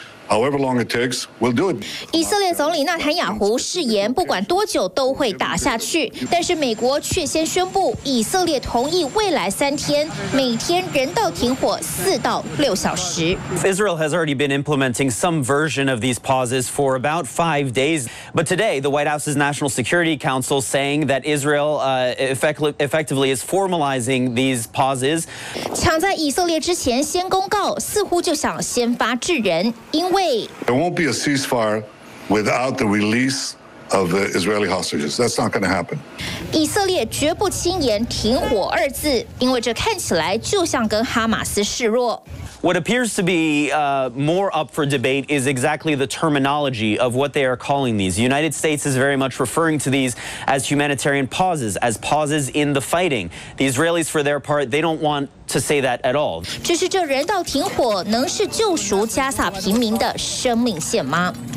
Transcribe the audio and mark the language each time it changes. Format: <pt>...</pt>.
<en>However long it takes, we'll do it.</en> <zh>以色列总理纳坦雅胡誓言不管多久都会打下去，但是美国却先宣布以色列同意未来三天每天人道停火4到6小时。</zh> <en>Israel has already been implementing some version of these pauses for about 5 days, but today the White House's National Security Council saying that Israel effectively is formalizing these pauses.</en> <zh>抢在以色列之前先公告，似乎就想先发制人，因为</zh> <en>There won't be a ceasefire without the release of the Israeli hostages. That's not going to happen.</en> <zh>以色列绝不轻言停火二字，因为这看起来就像跟哈马斯示弱。</zh> <en>What appears to be more up for debate is exactly the terminology of what they are calling these. The United States is very much referring to these as humanitarian pauses, as pauses in the fighting. The Israelis, for their part, they don't want to say that at all.</en> <zh>只是这人道停火能是救赎加萨平民的生命线吗？</zh>